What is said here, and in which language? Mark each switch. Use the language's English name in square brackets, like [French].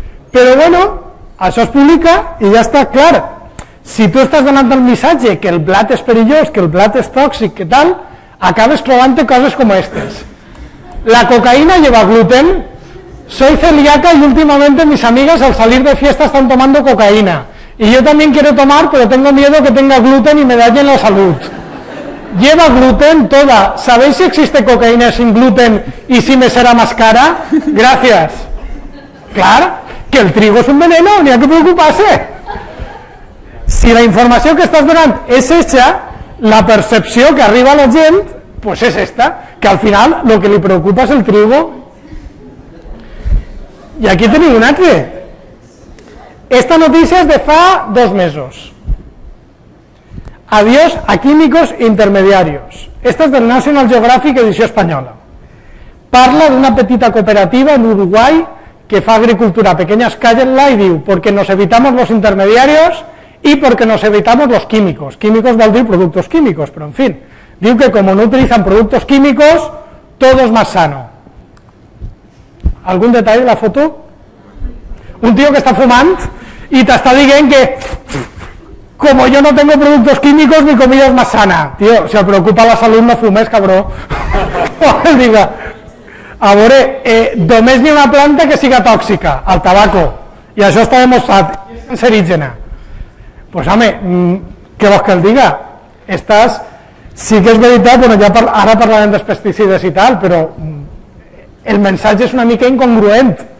[Catalan] Però bueno, això es publica i ja està clar. Si tu estàs donant el missatge que el blat és perillós, que el blat és tòxic, que tal, acabes trobant-te coses com aquestes. [Spanish] La cocaïna lleva gluten. Soy celíaca y últimamente mis amigas al salir de fiesta están tomando cocaína. Y yo también quiero tomar, pero tengo miedo que tenga gluten y me dañe la salud. Lleva gluten toda. ¿Sabéis si existe cocaína sin gluten y si me será más cara? Gracias. [Catalan] Clar, que el trigo és un veneno, n'hi ha que preocupar-se. Si la informació que estàs donant és eixa, la percepció que arriba a la gent és aquesta, que al final el que li preocupa és el trigo. I aquí tenim un altre. Esta notícia és de fa 2 mesos. [Spanish] Adiós a químicos intermediarios. [Catalan] Esta és del National Geographic edició espanyola. Parla d'una petita cooperativa en Uruguai que fa agricultura [Spanish] a pequeña escala [Catalan] i diu perquè [Spanish] nos evitamos los intermediarios [Catalan] i perquè [Spanish] nos evitamos los químicos. [Catalan] Químicos vol dir productos químicos, però en fin. Diu que com [Spanish] no utilizan productos químicos, todo es más sano. [Catalan] Algun detall de la foto? Un tío que està fumant i t'està dient que [Spanish] como yo no tengo productos químicos, mi comida es más sana. [Catalan] Tío, si el preocupa la salut no fumes, cabró. O el diga. A veure, només n'hi ha una planta que siga tòxica, el tabaco, i això està demostrat, i és cancerígena. Pues home, què vols que el diga? Estàs, sí que és veritat, ara parlarem dels pesticides i tal, però el missatge és una mica incongruent.